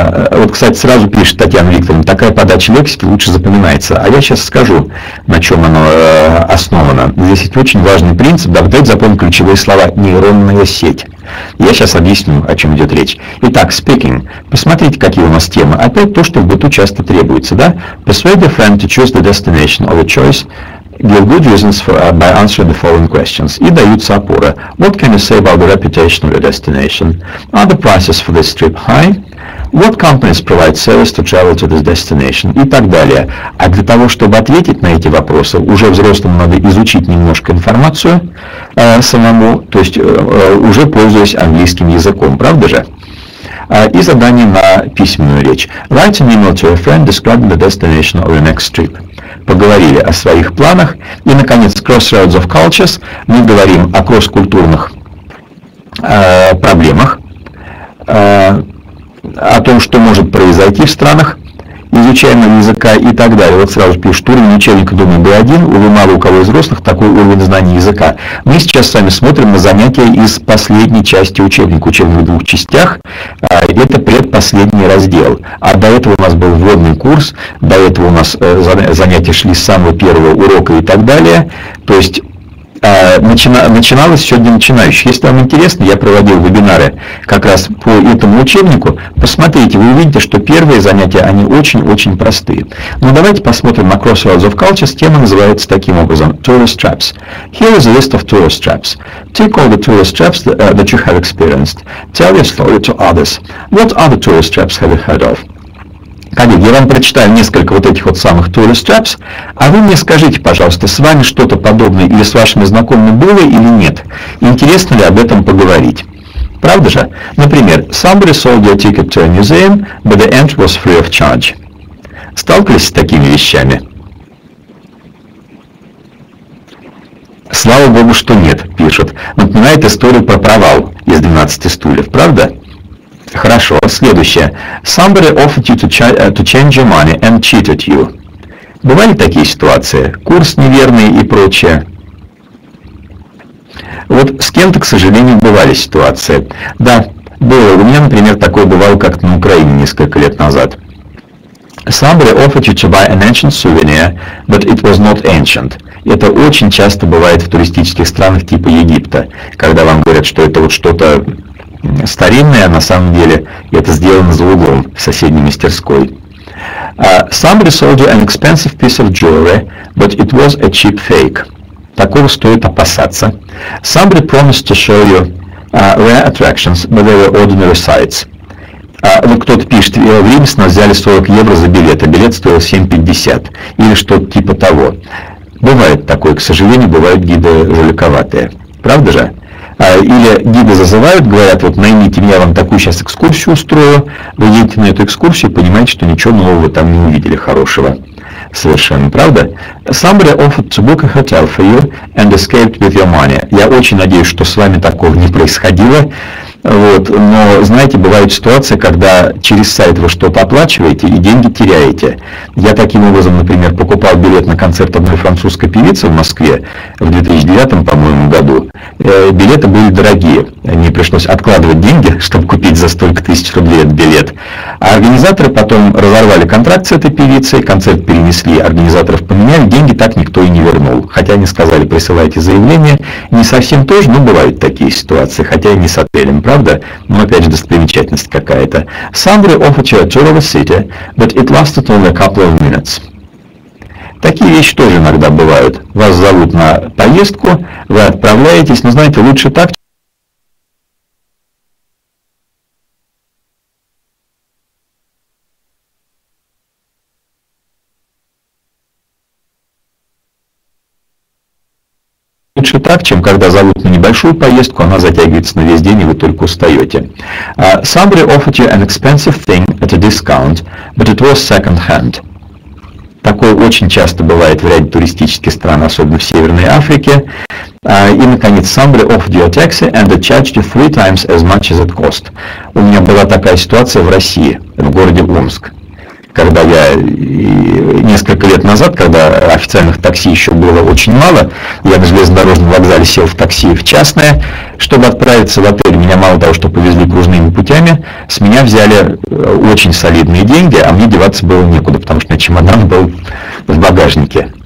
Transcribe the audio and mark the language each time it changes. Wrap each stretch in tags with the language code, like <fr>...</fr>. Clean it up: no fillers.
<ru>Вот, кстати, сразу пишет Татьяна Викторовна, такая подача лексики лучше запоминается. А я сейчас скажу, на чем оно основано. Здесь есть очень важный принцип. Да, давайте запомним ключевые слова. Нейронная сеть. Я сейчас объясню, о чем идет речь. Итак, speaking. Посмотрите, какие у нас темы. Опять то, что в быту часто требуется, да?</ru> <en>Persuade a friend to choose the destination of a choice. Give good reasons by answering the following questions.</en> <ru>И даются опоры.</ru> <en>What can you say about the reputation of your destination? Are the prices for this trip high? What companies provide service to travel to this destination?</en> <ru>И так далее. А для того, чтобы ответить на эти вопросы, уже взрослым надо изучить немножко информацию самому, то есть уже пользуясь английским языком, правда же? И задание на письменную речь.</ru> <en>Write an email to a friend describing the destination of your next trip.</en> <ru>Поговорили о своих планах. И, наконец, Crossroads of Cultures. Мы говорим о кросс-культурных проблемах, о том, что может произойти в странах изучаемого языка и так далее. Вот сразу пишут, уровень начальника дома B1, увы, мало у кого из взрослых такой уровень знания языка. Мы сейчас с вами смотрим на занятия из последней части учебника, учебника в двух частях. Это предпоследний раздел. А до этого у нас был вводный курс, до этого у нас занятия шли с самого первого урока и так далее. То есть начиналось все для начинающих. Если вам интересно, я проводил вебинары как раз по этому учебнику. Посмотрите, вы увидите, что первые занятия, они очень-очень простые. Но давайте посмотрим на Crossroads of Cultures. Тема называется таким образом.</ru> <en>Tourist traps. Here is a list of tourist traps. Take all the tourist traps that you have experienced. Tell your story to others. What other tourist traps have you heard of?</en> <ru>Коллеги, я вам прочитаю несколько вот этих вот самых tourist traps, а вы мне скажите, пожалуйста, с вами что-то подобное или с вашими знакомыми было или нет? Интересно ли об этом поговорить? Правда же? Например,</ru> <en>somebody sold your ticket to a museum, but the entry was free of charge.</en> <ru>Сталкивались с такими вещами? Слава богу, что нет, пишут. Напоминает историю про провал из 12 стульев, правда? Хорошо. Следующее.</ru> <en>Somebody offered you to change your money and cheated you.</en> <ru>Бывали такие ситуации? Курс неверный и прочее. Вот с кем-то, к сожалению, бывали ситуации. Да, было. У меня, например, такое бывало как-то на Украине несколько лет назад.</ru> <en>Somebody offered you to buy an ancient souvenir, but it was not ancient.</en> <ru>Это очень часто бывает в туристических странах типа Египта, когда вам говорят, что это вот что-то старинная, на самом деле, это сделано за углом в соседней мастерской.</ru> <en>Somebody sold you an expensive piece of jewelry, but it was a cheap fake.</en> <ru>Такого стоит опасаться.</ru> <en>Somebody promised to show you rare attractions, but they were ordinary sights.</en> <ru>Вот кто-то пишет, в Риме с нас взяли 40 евро за билет, а билет стоил 7,50, или что-то типа того. Бывает такое, к сожалению, бывают гиды жуликоватые. Правда же? Или гиды зазывают, говорят, вот наймите, я вам такую сейчас экскурсию устрою, вы едете на эту экскурсию и понимаете, что ничего нового там не увидели хорошего. Совершенно, правда?</ru> <en>Somebody offered to book a hotel for you and escaped with your money.</en> <ru>Я очень надеюсь, что с вами такого не происходило. Вот. Но, знаете, бывают ситуации, когда через сайт вы что-то оплачиваете и деньги теряете. Я таким образом, например, покупал билет на концерт одной французской певицы в Москве в 2009, по-моему, году. Билеты были дорогие. Мне пришлось откладывать деньги, чтобы купить за столько тысяч рублей этот билет. А организаторы потом разорвали контракт с этой певицей, концерт перенесли, организаторов поменяли, деньги так никто и не вернул. Хотя они сказали, присылайте заявление. Не совсем тоже, но бывают такие ситуации, хотя и не с отелем. Правда? Но опять же, достопримечательность какая-то.</ru> <en>Somebody offered you a tour of a city, but it lasted only a couple of minutes.</en> <ru>Такие вещи тоже иногда бывают. Вас зовут на поездку, вы отправляетесь, но знаете, лучше так, чем когда зовут на небольшую поездку, она затягивается на весь день, и вы только устаете.</ru> <en>Somebody offered you an expensive thing at a discount, but it was second-hand.</en> <ru>Такое очень часто бывает в ряде туристических стран, особенно в Северной Африке. И, наконец,</ru> <en>somebody offered you a taxi and they charged you three times as much as it cost.</en> <ru>У меня была такая ситуация в России, в городе Омск. Когда я несколько лет назад, когда официальных такси еще было очень мало, я на железнодорожном вокзале сел в такси в частное, чтобы отправиться в отель. Меня мало того, что повезли кружными путями, с меня взяли очень солидные деньги, а мне деваться было некуда, потому что у меня чемодан был в багажнике.</ru>